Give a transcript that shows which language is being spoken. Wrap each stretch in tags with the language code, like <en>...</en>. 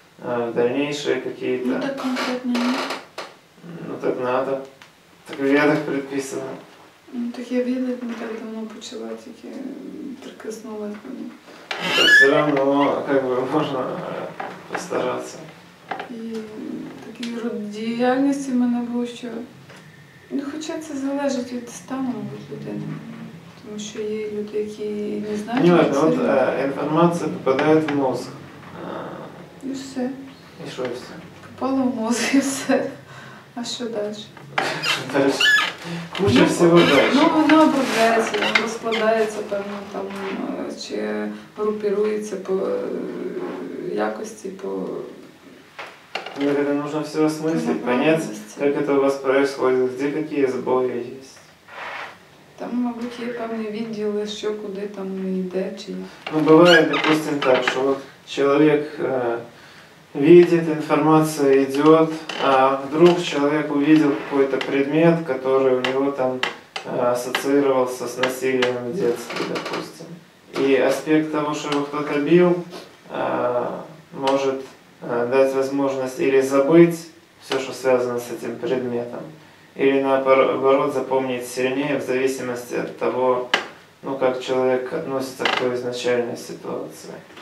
<ru>В дальнейшие какие-то. Ну так конкретно нет. Ну так надо. Так в ядах предписано. Ну так я ведать не так давно</ru> <uk>почала, тільки</uk> <ru>прикоснулась до них. Так все равно как бы можно постараться.</ru> <uk>І такий род діяльності в мене був, що ну хоча це залежить від стану людини. Тому що є люди, які не знають. Ні, ладно, от інформація попадає в мозг. І все. І що і все? Попало в мозг і все. А що далі? Куча всього далі. Ну воно обробляється, воно розкладається певно там, чи групірується по якості, по... Ну, це треба все осмислити, зрозуміти, як це у вас відбувається, де які збої є. Там, мабуть, є певні відділи, що куди там йде, чи...</uk> <ru>Ну,</ru> <uk>буває, допустим, так, що чоловік видит,</uk> <ru>информация идет, а вдруг человек увидел какой-то предмет, который у него там ассоциировался с насилием в детстве, допустим. И аспект того, что его кто-то бил, может дать возможность или забыть все, что связано с этим предметом, или наоборот запомнить сильнее, в зависимости от того, ну, как человек относится к той изначальной ситуации.</ru>